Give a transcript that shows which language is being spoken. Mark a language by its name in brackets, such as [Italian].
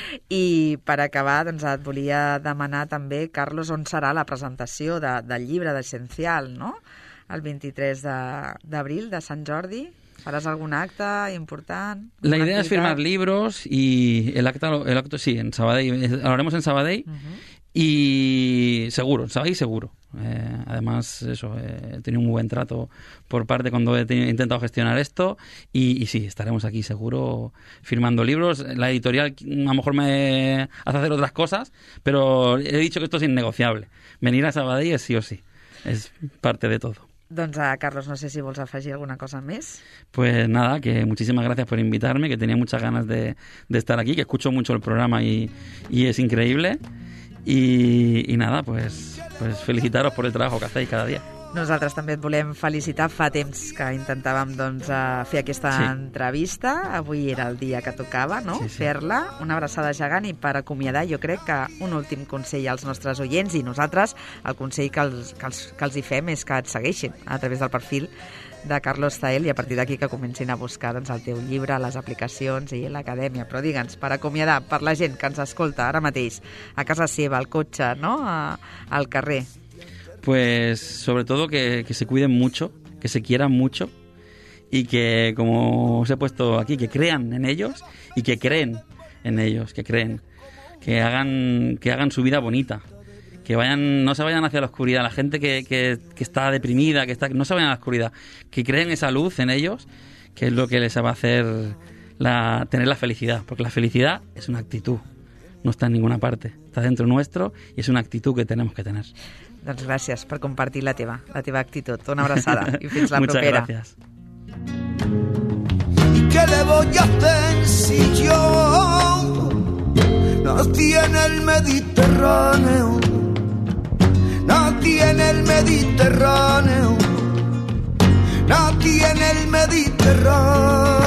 [Catalan] I per acabar, doncs, et volia demanar també, Carlos, on serà la presentació del llibre d'Essencial, no? El 23 d'abril de Sant Jordi. [Spanish] ¿Harás algún acta importante? La idea es firmar libros y el acto sí, en Sabadell. Lo haremos en Sabadell y seguro, en Sabadell seguro. Además, eso, he tenido un buen trato por parte cuando he intentado gestionar esto y sí, estaremos aquí seguro firmando libros. La editorial a lo mejor me hace hacer otras cosas, pero he dicho que esto es innegociable. Venir a Sabadell es sí o sí, es parte de todo. [Catalan] Doncs, Carlos, no sé si vols afegir alguna cosa més. [Spanish] Pues nada, que muchísimas gracias por invitarme, que tenía muchas ganas de estar aquí, que escucho mucho el programa y es increíble. Y nada, pues felicitaros por el trabajo que hacéis cada día. [Catalan] Nosaltres també et volem felicitar. Fa temps que intentàvem, doncs, fer aquesta entrevista. Avui era el dia que tocava, no?, fer-la. Una abraçada gegant i per acomiadar, jo crec que un últim consell als nostres oients i nosaltres, el consell que els hi fem és que et segueixin a través del perfil de Carlos Zahel i a partir d'aquí que comencin a buscar, doncs, el teu llibre, les aplicacions i l'acadèmia. Però digue'ns, per acomiadar, per la gent que ens escolta ara mateix, a casa seva, al cotxe, no?, al carrer... [Spanish] Pues sobre todo que se cuiden mucho, que se quieran mucho y que, como os he puesto aquí, que crean en ellos y que creen en ellos, que creen, que hagan su vida bonita, que vayan, no se vayan hacia la oscuridad, la gente que está deprimida, que está, no se vayan a la oscuridad, que creen esa luz en ellos, que es lo que les va a hacer tener la felicidad, porque la felicidad es una actitud, no está en ninguna parte, está dentro nuestro y es una actitud que tenemos que tener. [Catalan] Doncs gràcies per compartir la teva actitud. Una abraçada i fins la propera. [Spanish] Muchas gracias. ¿Y qué le voy a hacer si yo nací en el Mediterráneo? Nací en el Mediterráneo. Nací en el Mediterráneo.